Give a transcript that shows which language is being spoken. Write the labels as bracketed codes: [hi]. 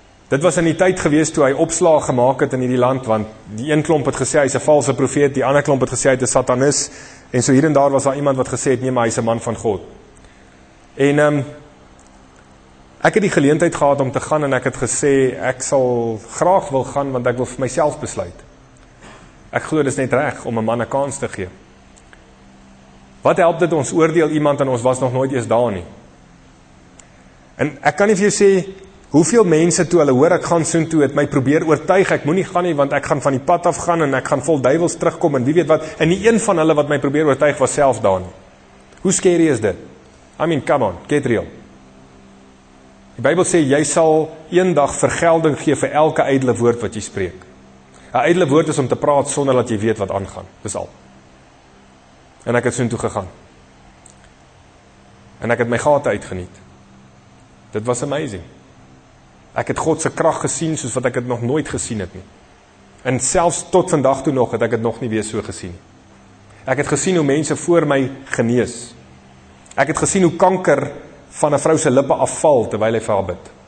[af] Dit was in die tyd gewees toe hy opslag gemaak het in die land, want die een klomp het gesê hy is 'n valse profeet, die ander klomp het gesê hy is 'n satanis, en so hier en daar was daar iemand wat gesê het, nee, maar hy is 'n man van God. En ek het die geleentheid gehad om te gaan, en ek het gesê, ek sal graag wil gaan, want ek wil vir myself besluit. Ek glo dis net reg om 'n man 'n kans te gee. Wat help dit ons oordeel iemand, en ons was nog nooit eens daar nie? En ek kan nie vir jou sê, hoeveel mense toe hulle hoor ek gaan soen toe, het my probeer oortuig, ek moet nie gaan nie, want ek gaan van die pad af gaan, en ek gaan vol duivels terugkom, en wie weet wat, en nie een van hulle wat my probeer oortuig was self daar nie. Hoe scary is dit? [en] I mean, come on, get real. [af] Die Bybel sê, jy sal een dag vergelding gee vir elke ydele woord wat jy spreek. Een ydele woord is om te praat sonder dat jy weet wat aangaan, dis al. En ek het soen toe gegaan. En ek het my gate uitgeniet. Dit was amazing. Ek het God se krag gesien soos wat ek het nog nooit gesien het nie. En selfs tot vandag toe nog het ek het nog nie weer so gesien. Ek het gesien hoe mense voor my genees. Ek het gesien hoe kanker van 'n vrou se lippe afval terwyl hy vir haar bid.